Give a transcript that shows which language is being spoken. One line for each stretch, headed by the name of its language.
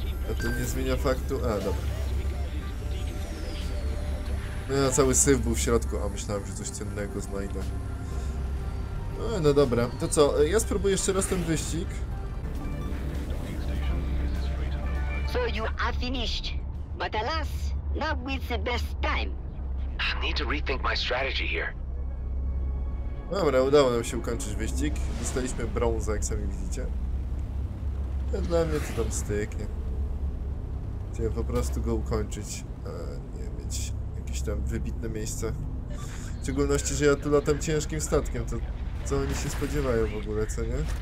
Polish: A to nie zmienia faktu. A, dobra. No ja cały syf był w środku, a myślałem, że coś cennego znajdę. No, no dobra, to co? Ja spróbuję jeszcze raz ten wyścig.
English: So you are finished. But alas, not with the best time. I need to rethink my strategy here.
Polish: Dobra, udało nam się ukończyć wyścig. Dostaliśmy brązę, jak sami widzicie. Ja dla mnie to tam styknie. Chciałem po prostu go ukończyć, a nie mieć jakieś tam wybitne miejsce. W szczególności, że ja tu latam ciężkim statkiem, to co oni się spodziewają w ogóle, co nie?